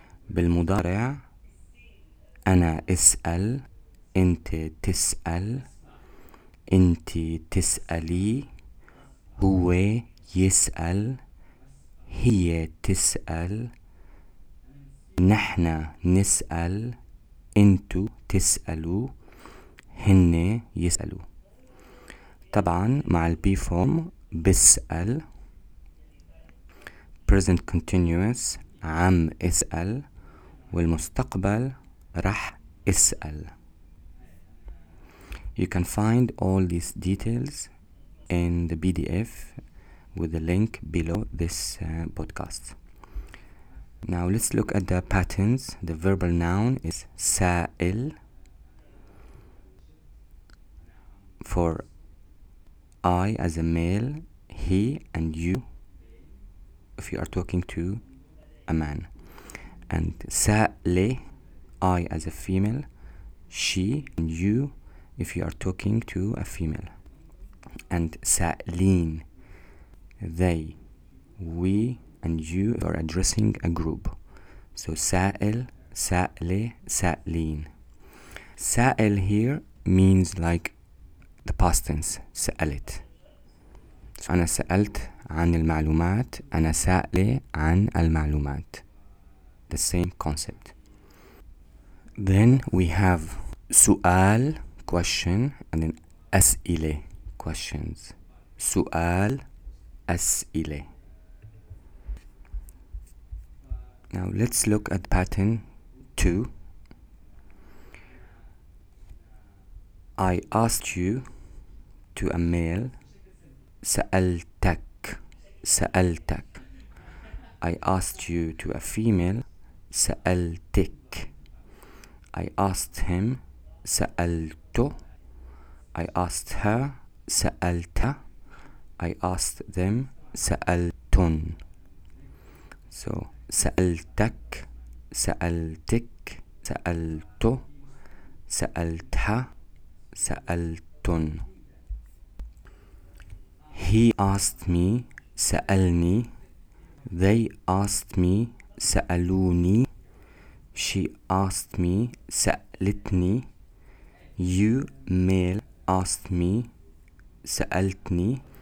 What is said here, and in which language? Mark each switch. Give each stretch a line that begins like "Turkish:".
Arabic: بالمضارع أنا أسأل، أنت تسأل، أنت تسألي، هو يسأل، هي تسأل، نحن نسأل، أنتو تسألوا، هن يسألوا. طبعا مع البي فورم بسأل، present continuous عم اسأل، والمستقبل رح اسأل.
English: You can find all these details in the PDF with the link below this podcast. Now let's look at the patterns. The verbal noun is سائل for I as a male, he and you if you are talking to a man. And سائلي I as a female, she and you if you are talking to a female. And سألين they, we and you if are addressing a group.
Arabic: So سأل, سألي, سألين.
English: سأل here means like the past tense, سألت.
Arabic: So أنا سألت عن المعلومات, أنا سألي عن المعلومات.
English: The same concept. Then we have سؤال, question, and then أسئلة, questions.
Arabic: سؤال, أسئلة.
English: Now let's look at pattern 2. I asked you to a male.
Arabic: سألتك, سألتك.
English: I asked you to a female.
Arabic: سألتك.
English: I asked him,
Arabic: سألته.
English: I asked her,
Arabic: سألتا.
English: I asked them, سألتن.
Arabic: So, سألتك, سألتك, سألته, سألتها, سألتن.
English: He asked me,
Arabic: سألني.
English: They asked me,
Arabic: سألوني.
English: She asked me,
Arabic: سألتني.
English: You male asked me,
Arabic: سألتني.